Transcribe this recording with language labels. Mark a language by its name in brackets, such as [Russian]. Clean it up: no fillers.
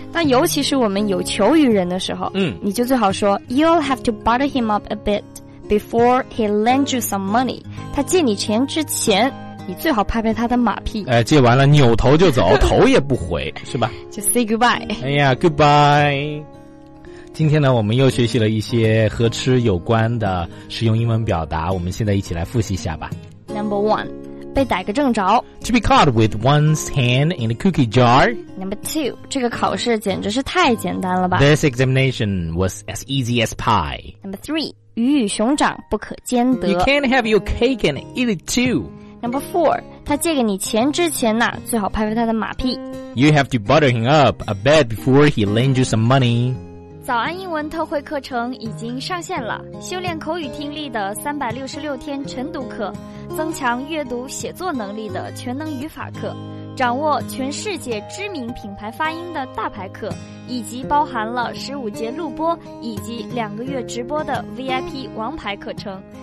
[Chinese] 但尤其是我们有求于人的时候，你就最好说 [English] You'll have to butter him up a bit before he lends you some money， [Chinese] 他借你钱之前你最好拍拍他的马屁，哎，借完了扭头就走头也不回是吧， [English] 就 say goodbye。哎呀 goodbye。 [Chinese] 今天呢我们又学习了一些和吃有关的实用英文表达，我们现在一起来复习一下吧。 [English] Number one， [Chinese] 被逮个正着， [English] To be caught with one's hand in a cookie jar。 Number two， [Chinese] 这个考试简直是太简单了吧， [English] This examination was as easy as pie。 Number three， [Chinese] 鱼与熊掌不可兼得， [English] You can't have your cake and eat it too。 Number four， [Chinese] 他借给你钱之前呢最好拍拍他的马屁， [English] You have to butter him up a bit before he lends you some money。 [Chinese] 早安英文特惠课程已经上线了，修炼口语听力的366天晨读课，增强阅读写作能力的全能语法课，掌握全世界知名品牌发音的大牌课，以及包含了15节录播以及2个月直播的 VIP 王牌课程。